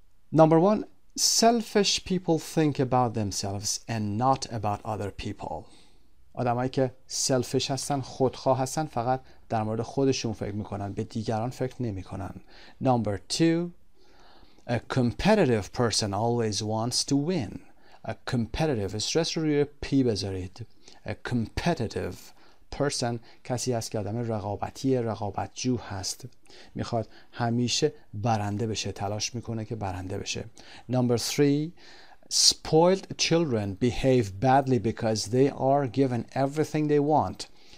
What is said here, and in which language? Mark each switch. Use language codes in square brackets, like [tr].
[en] Number one, selfish people think about themselves and not about other people. [fa] آدمایی که selfish هستن، خودخواه هستن، فقط در مورد خودشون فکر میکنن، به دیگران فکر نمیکنن. [en] Number two, a competitive person always wants to win. [fa] A competitive, استرس رو روی پی بذارید. [en] A competitive person [fa] کسی است که آدم رقابتی، رقابت جو هست، میخواد همیشه برنده بشه، تلاش میکنه که برنده بشه. [en] Number three, spoiled children behave badly because they are given everything they want.